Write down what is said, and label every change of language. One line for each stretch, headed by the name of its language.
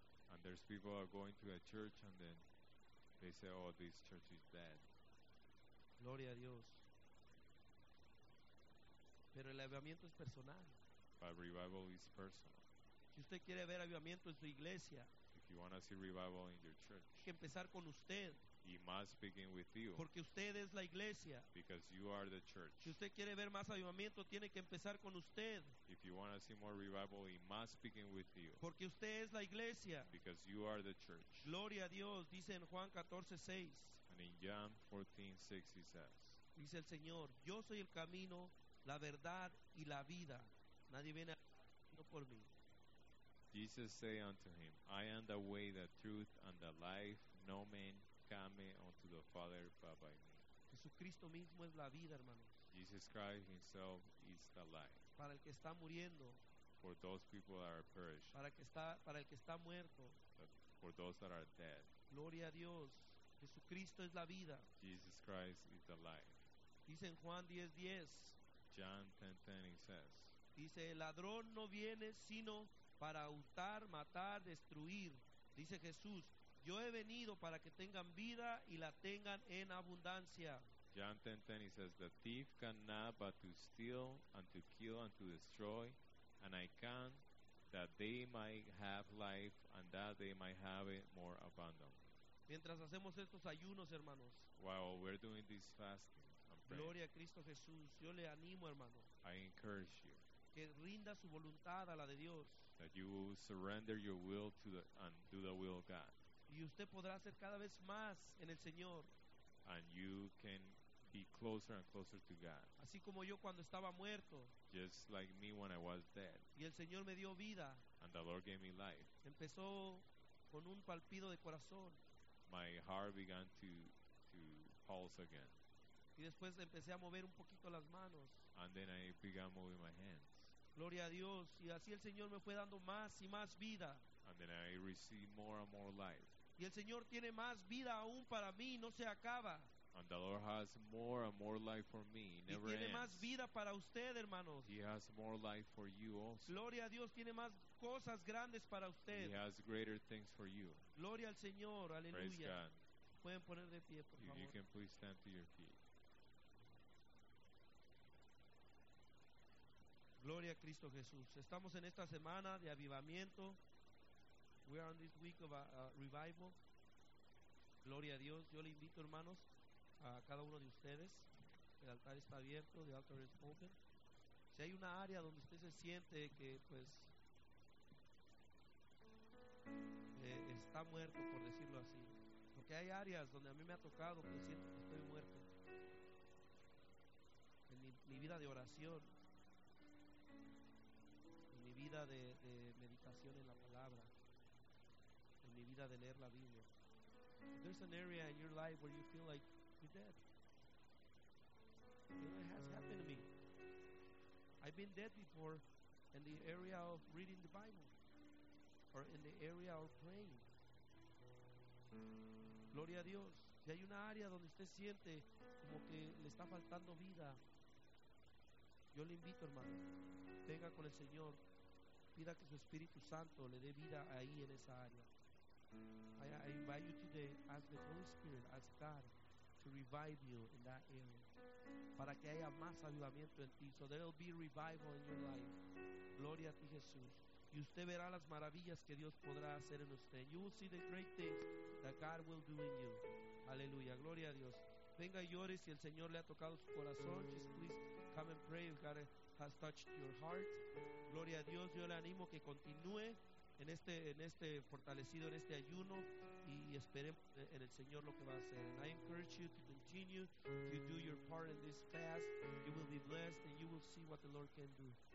English: And there's people who are going to a church and then they say, oh, this church is dead.
Spanish: Gloria a Dios. Pero el avivamiento es personal.
English: But revival is personal.
Spanish: Si usted quiere ver avivamiento en su iglesia,
English: if you want to see revival in your church,
Spanish: que empezar con usted.
English: He must begin with you.
Spanish: Porque usted es la iglesia.
English: Because you are the church.
Spanish: Si usted quiere ver más avivamiento, tiene que empezar con usted.
English: If you want to see more revival, he must begin with you.
Spanish: Porque usted es la iglesia.
English: Because you are the church.
Spanish: Gloria a Dios, dice en Juan 14:6.
English: And in John 14:6 he says,
Spanish: dice el Señor, yo soy el camino, la verdad y la vida. Nadie viene sino por mí.
English: Jesus said unto him, I am the way, the truth, and the life. No man come unto the Father but by me.
Spanish: Jesucristo mismo es la vida, hermanos.
English: Jesus Christ himself is the life.
Spanish: Para el que está muriendo.
English: For those people that are perished.
Spanish: Para el que está muerto.
English: For those that are dead.
Spanish: Gloria a Dios. Jesucristo es la vida.
English: Jesus Christ is the life.
Spanish: Dice en Juan 10:10.
English: John 10:10 he says.
Spanish: Dice, el ladrón no viene sino para hurtar, matar, destruir. Dice Jesús, yo he venido para que tengan vida y la tengan en abundancia.
English: John 10:10 he says, the thief cannot but to steal and to kill and to destroy, and I come that they might have life and that they might have it more abundantly.
Spanish: Mientras hacemos estos ayunos, hermanos.
English: While we're doing this fasting and praying.
Spanish: Gloria a Cristo Jesús. Yo le animo, hermano.
English: I encourage you.
Spanish: Que rinda su voluntad a la de Dios.
English: That you will surrender your will to the, and do the will of God.
Spanish: Y usted podrá ser cada vez más en el Señor.
English: And you can be closer and closer to God.
Spanish: Así como yo cuando estaba muerto.
English: Just like me when I was dead.
Spanish: Y el Señor me dio vida.
English: And the Lord gave me life.
Spanish: Empezó con un palpido de corazón.
English: My heart began to pulse again.
Spanish: Y después empecé a mover un poquito las manos.
English: And then I began moving my hands.
Spanish: Gloria a Dios. Y así el Señor me fue dando más y más vida.
English: And then I received more and more life.
Spanish: Y el Señor tiene más vida aún para mí. No se acaba.
English: And the Lord has more and more life for me. It never ends.
Spanish: Y tiene más vida para usted, hermanos.
English: He has more life for you also.
Spanish: Gloria a Dios. Tiene más cosas grandes para usted.
English: He has greater things for you.
Spanish: Gloria al Señor. Aleluya.
English: Praise God.
Spanish: Pueden poner de pie, por favor.
English: You can please stand to your feet.
Spanish: Gloria a Cristo Jesús. Estamos en esta semana de avivamiento.
English: We are on this week of revival.
Spanish: Gloria a Dios. Yo le invito, hermanos, a cada uno de ustedes. El altar está abierto.
English: The altar is open.
Spanish: Si hay una área donde usted se siente que, pues, está muerto, por decirlo así. Porque hay áreas donde a mí me ha tocado que siento que estoy muerto. En mi vida de oración. En mi vida de meditación en la palabra, en mi vida de leer la Biblia.
English: There's an area in your life where you feel like you're dead. You know, it has happened to me. I've been dead before in the area of reading the Bible or in the area of praying.
Spanish: Gloria a Dios. Si hay una área donde usted siente como que le está faltando vida, yo le invito, hermano, venga con el Señor, pida que su Espíritu Santo le dé vida ahí en esa área.
English: I invite you today, ask the Holy Spirit, ask God to revive you in that area,
Spanish: para que haya más avivamiento en ti,
English: so there will be revival in your life.
Spanish: Gloria a ti, Jesús. Y usted verá las maravillas que Dios podrá hacer en usted.
English: You will see the great things that God will do in you.
Spanish: Aleluya, gloria a Dios. Venga y llore si el Señor le ha tocado su corazón.
English: Just please come and pray if God has touched your heart.
Spanish: Gloria a Dios. Yo le animo que continúe en este fortalecido, en este ayuno, y esperemos en el Señor lo que va a hacer.
English: And I encourage you to continue to do your part in this fast. You will be blessed and you will see what the Lord can do.